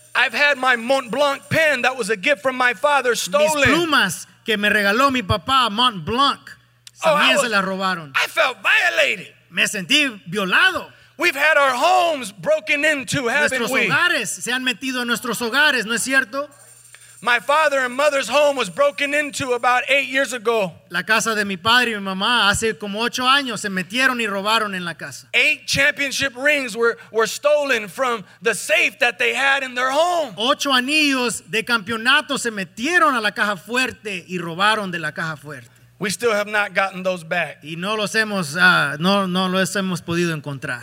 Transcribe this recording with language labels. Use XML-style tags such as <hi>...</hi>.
<en>I've had my Mont Blanc pen that was a gift from my father stolen.</en> <es>Mis plumas que me regaló mi papá, Mont Blanc. También se la robaron.</es> <en>I felt violated.</en> <es>Me sentí violado.</es> <en>We've had our homes broken into, haven't</en> <es>nuestros</es> <en>we?</en> <es>Hogares se han metido en nuestros hogares, ¿no es cierto?</es> <en>My father and mother's home was broken into about 8 years ago.</en> <es>La casa de mi padre y mi mamá hace como 8 años se metieron y robaron en la casa.</es> <en>8 championship rings were stolen from the safe that they had in their home.</en> <es>8 anillos de campeonato se metieron a la caja fuerte y robaron de la caja fuerte.</es> <en>We still have not gotten those back.</en> <es>Y no los hemos no los hemos podido encontrar.</es>